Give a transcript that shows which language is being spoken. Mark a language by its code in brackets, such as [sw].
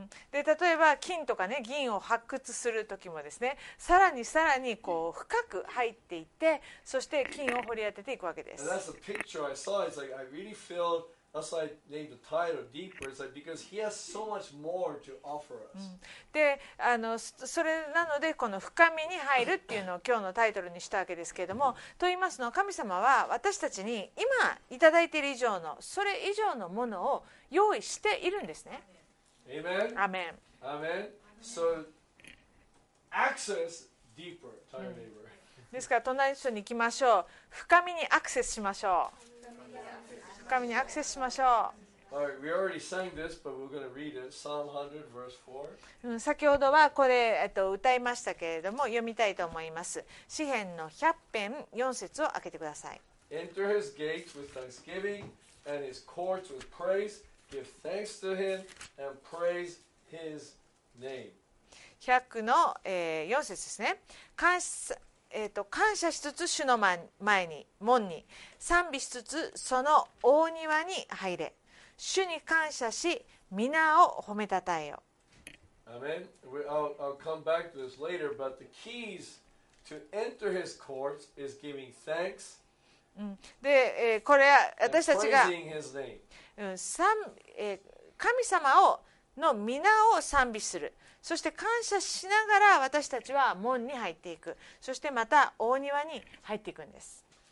[ja] で、例えば金とか、ね、銀を発掘するときもですね、さらにさらにこう深く入っていって、そして金を掘り当てていくわけです。 [en] That's a picture I saw. It's like I really feelThat's why I named the title Deeper. It's like because he has so much more to offer us. [ja] で、それなのでこの深みに入るっていうのを今日のタイトルにしたわけですけれども、と言いますのは、神様は私たちに今いただいている以上の、それ以上のものを用意しているんですね。 [en] Amen. Amen. Amen. So access deeper, tired neighbor. [ja] ですから隣の人に行きましょう。深みにアクセスしましょう。神にアクセスしましょう。先ほどはこれ歌いましたけれども読みたいと思います。詩編の100編4節を開けてください。 [en] Enter his gates with thanksgiving and his courts with praise. Give thanks to him and praise his name. [ja] 100の、4節ですね。感謝しつつ主の前に門に賛美しつつその大庭に入れ、主に感謝し皆を褒めたたえよ。アメン。 [en] I'll come back to this later, but the keys to enter his courts is giving thanks. [ja] でこれは私たちが神様をの皆を賛美する、そして感謝しながら私たちは門に入っていく、そしてまた大庭に入っていくんです。